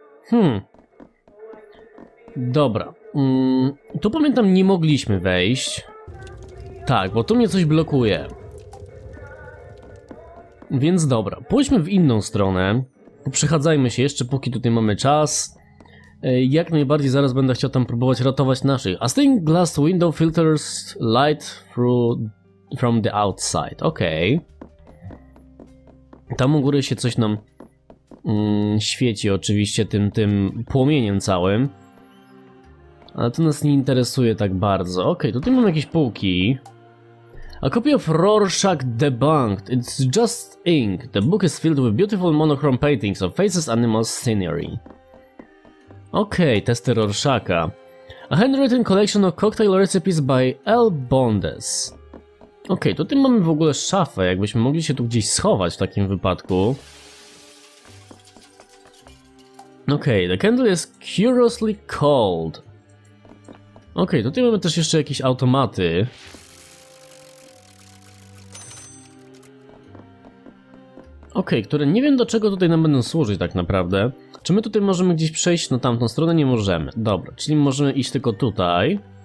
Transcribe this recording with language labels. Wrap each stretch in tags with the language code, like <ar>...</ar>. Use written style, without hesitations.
<pl>Hmm. Dobra. Tu pamiętam, nie mogliśmy wejść. Tak, bo tu mnie coś blokuje. Więc dobra, pójdźmy w inną stronę. Poprzechadzajmy się jeszcze, póki tutaj mamy czas. Jak najbardziej zaraz będę chciał tam próbować ratować naszych.</pl> <en>A stained glass window filters light through from the outside.</en> <pl>Okej. Okay. Tam u góry się coś nam świeci oczywiście tym płomieniem całym. Ale to nas nie interesuje tak bardzo. Okej, okay, tutaj mamy jakieś półki.</pl> <en>A copy of Rorschach debunked. It's just ink. The book is filled with beautiful monochrome paintings of faces, animals, scenery.</en> <pl>Okej, okay, testy Rorschacha.</pl> <en>A handwritten collection of cocktail recipes by L. Bondes.</en> <pl>Okej, okay, tutaj mamy w ogóle szafę, jakbyśmy mogli się tu gdzieś schować w takim wypadku.</pl> <en>Okej, okay, the candle is curiously cold.</en> <pl>Okej, okay, tutaj mamy też jeszcze jakieś automaty. Okej, okay, które nie wiem do czego tutaj nam będą służyć tak naprawdę. Czy my tutaj możemy gdzieś przejść na tamtą stronę? Nie możemy. Dobra, czyli możemy iść tylko tutaj.</pl>